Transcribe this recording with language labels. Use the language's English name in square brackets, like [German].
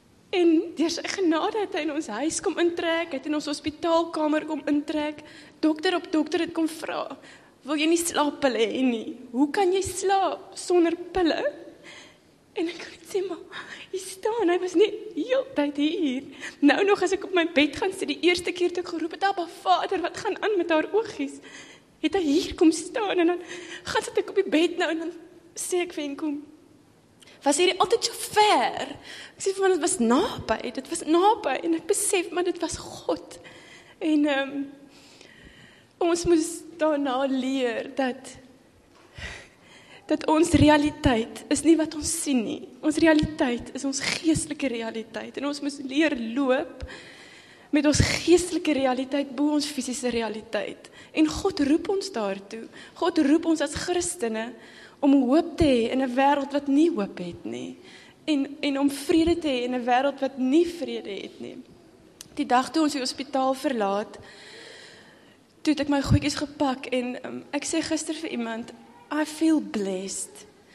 [Afrikaans] En deur sy genade het hy in ons huis kom intrek, het in ons hospitaalkamer kom intrek. Dokter op dokter het kom vra, wil jy nie slaappille hê nie? Hoe kan jy slaap sonder pille? En ek kon sê, maar hy staan, hy was nie heel tyd hier. Nou nog as ek op my bed gaan sit, die eerste keer toe ek geroep het, Abba Vader, wat gaan aan met haar oogies? Het hy hier kom staan en dan gaan sit ek op die bed nou en dan sê ek vir hom, kom. Was hierdie altyd so ver? Ek sê vir my, dit was naby en ek besef, maar dit was God. En ons moes daarna leer dat ons realiteit is nie wat ons sien nie. Ons realiteit is ons geestelike realiteit. En ons moes leer loop met ons geestelike realiteit bo ons fisiese realiteit. En God roep ons daartoe. God roep ons as Christene om hoop te hê in 'n wêreld wat nie hoop het nie. En om vrede te hê in 'n wêreld wat nie vrede het nie. Die dag toe ons die hospitaal verlaat, toe het ek my goedjies gepak en ek sê gister vir iemand, [English] I feel blessed.